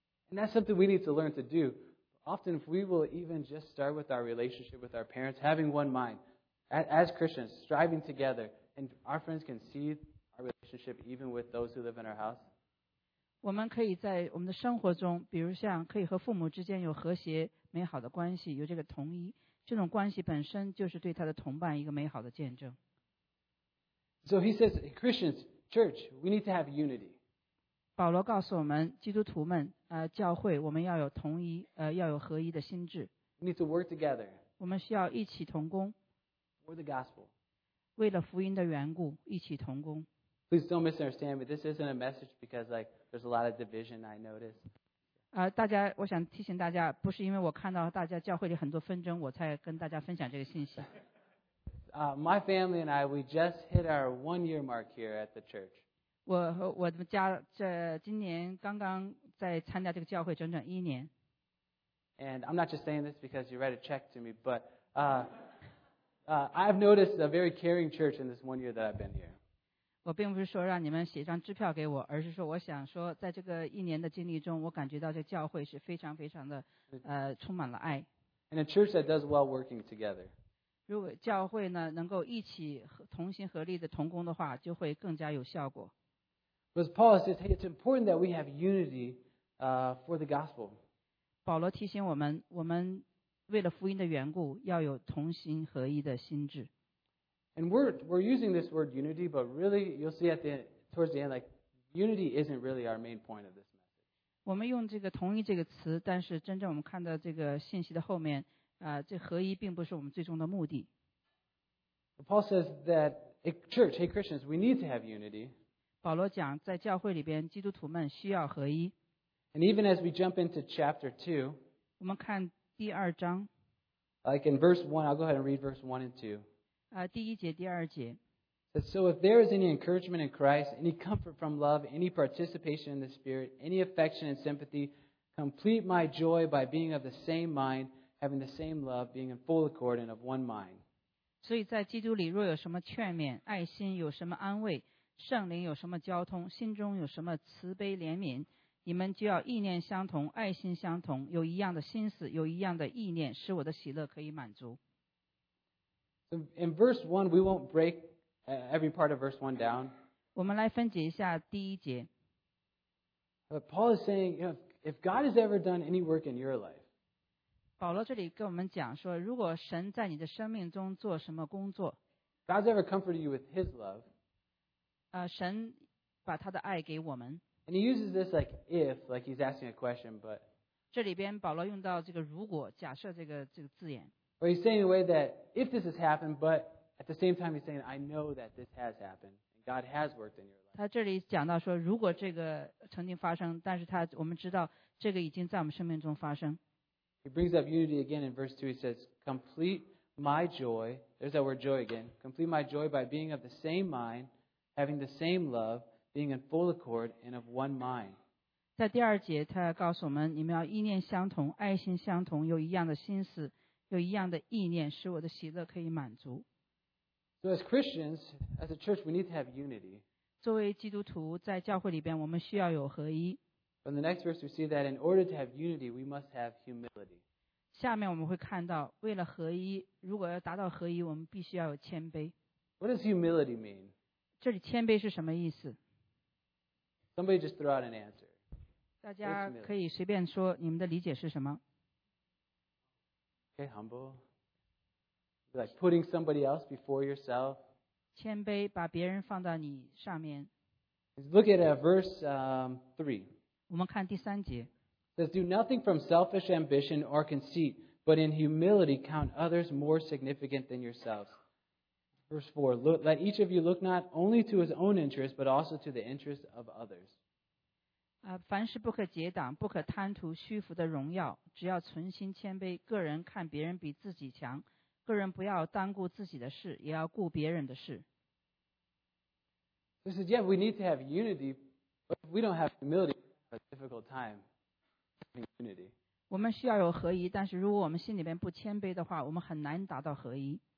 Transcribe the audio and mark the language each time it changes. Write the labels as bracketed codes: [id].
[en] And that's something we need to learn to do. Often if we will even just start with our relationship with our parents, having one mind, as Christians, striving together, and our friends can see our relationship even with those who live in our house. [zh] 我们可以在我们的生活中比如像可以和父母之间有和谐美好的关系有这个同一这种关系本身就是对他的同伴一个美好的见证。 [en] So he says, Christians, church, we need to have unity. [zh] 保罗告诉我们，基督徒们，教会，我们要有同一，要有合一的心智。 [en] We need to work together. [zh] 我们需要一起同工。 [en] For the gospel. [zh] 为了福音的缘故，一起同工。 [en] Please don't misunderstand me. This isn't a message because like there's a lot of division I notice. [zh] 大家，我想提醒大家，不是因为我看到大家教会里很多纷争，我才跟大家分享这个信息。 [en] My family and I, we just hit our one-year mark here at the church. [zh] 我们家这今年刚刚在参加这个教会整整一年。 [en] And I'm not just saying this because you write a check to me, but I've noticed a very caring church in this 1 year that I've been here. [zh] 我并不是说让你们写张支票给我，而是说我想说，在这个一年的经历中，我感觉到这教会是非常非常的充满了爱。 [en] And a church that does well working together. [zh] 如果教会呢能够一起同心合力的同工的话，就会更加有效果。 [en] But Paul says, "Hey, it's important that we have unity, for the gospel." [zh] 保罗提醒我们，我们为了福音的缘故，要有同心合一的心智。 [en] And we're using this word unity, but really, you'll see towards the end, like unity isn't really our main point of this message. [zh] 我们用这个同一这个词，但是真正我们看到这个信息的后面。这合一并不是我们最终的目的。 [en] Paul says that church, hey Christians, we need to have unity. [zh] 保罗讲，在教会里边，基督徒们需要合一。 [en] And even as we jump into chapter 2, [zh] 我们看第二章。 [en] Like in verse 1, I'll go ahead and read verse 1 and 2. [zh] 第一节，第二节。 [en] So if there is any encouragement in Christ, any comfort from love, any participation in the Spirit, any affection and sympathy, complete my joy by being of the same mind, having the same love, being in full accord and of one mind. [zh] 所以在基督里若有什么劝勉、爱心有什么安慰、圣灵有什么交通、心中有什么慈悲怜悯，你们就要意念相同、爱心相同、有一样的心思、有一样的意念，使我的喜乐可以满足。 [en] So in verse 1, we won't break every part of verse 1 down. [zh] 我们来分解一下第一节。 [en] But Paul is saying, you know, if God has ever done any work in your life, [zh] 保罗这里跟我们讲说，如果神在你的生命中做什么工作， [en] God's ever comforted you with His love, [zh] 神把他的爱给我们。 [en] And he uses this like if, like he's asking a question, but [zh] 这里边保罗用到这个如果假设这个字眼。 [en] But he's saying in a way that if this has happened, but at the same time he's saying, I know that this has happened, and God has worked in your life. [zh] 他这里讲到说，如果这个曾经发生，但是我们知道这个已经在我们生命中发生。 [en] He brings up unity again in verse 2. He says, complete my joy, there's that word joy again, complete my joy by being of the same mind, having the same love,being in full accord and of one mind. [zh] 在第二节他告诉我们，你们要意念相同，爱心相同，有一样的心思，有一样的意念，使我的喜乐可以满足。 [en] So as Christians, as a church, we need to have unity. [zh] 作为基督徒，在教会里边，我们需要有合一。 [en] From the next verse, we see that in order to have unity, we must have humility. [zh] 下面我们会看到，为了合一，如果要达到合一，我们必须要有谦卑。 [en] What does humility mean? [zh] 这里谦卑是什么意思？ [en] Somebody just throw out an answer. [zh] 大家可以随便说你们的理解是什么。 [en] Okay, humble. Like putting somebody else before yourself. [zh] 谦卑，把别人放到你上面。 [en] Look at verse 3. [zh] 我们看第三节。 [en] It says, do nothing from selfish ambition or conceit, but in humility count others more significant than yourselves. Verse 4, let each of you look not only to his own interest, but also to the interest of others. [zh] 凡事不可结党，不可贪图虚浮的荣耀，只要存心谦卑，个人看别人比自己强，个人不要单顾自己的事，也要顾别人的事。 [en] This is, yeah, we need to have unity, but if we don't have humility, we have a difficult time having unity. [zh] 我们需要有合一，但是如果我们心里边不谦卑的话，我们很难达到合一。